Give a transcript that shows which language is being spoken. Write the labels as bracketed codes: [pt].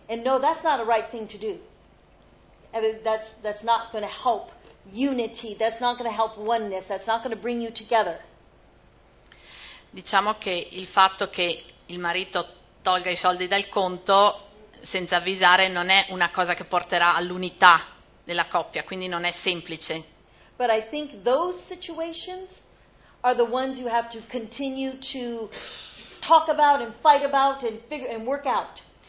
[en] And no, that's not a right thing to do. I mean, that's not going to help unity. That's not going to help oneness. That's not going to bring you together. [it] Diciamo che il fatto che il marito tolga i soldi dal conto senza avvisare non è una cosa che porterà all'unità della coppia, quindi non è semplice. [en] But I think those situations are the ones you have to continue to talk about and fight about and figure and work out.